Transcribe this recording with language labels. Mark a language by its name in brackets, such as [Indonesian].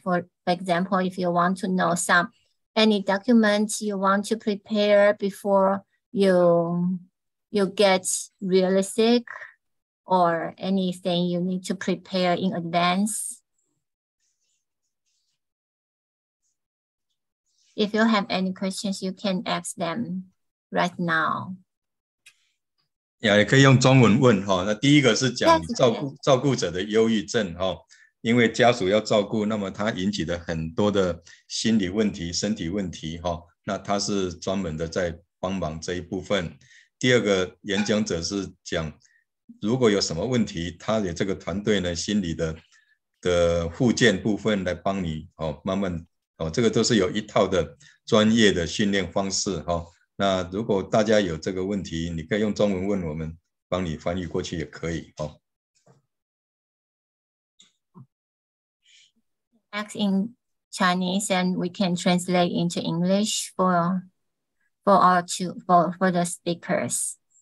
[English] For example, if you want to know someany documents you want to prepare before you get really sick or anything you need to prepare in advance. If you have any questions, you can ask them right now. [Chinese] Yeah, 也可以用中文问哈。那第一个是讲照顾者的忧郁症哈。因为家属要照顾，那么他引起的很多的心理问题、身体问题，那他是专门的在帮忙这一部分。第二个演讲者是讲，如果有什么问题，他的这个团队呢，心理的复健部分来帮你，慢慢，这个都是有一套的专业的训练方式，那如果大家有这个问题，你可以用中文问我们，帮你翻译过去也可以， [English] Ask in Chinese and we can translate into English for the speakers.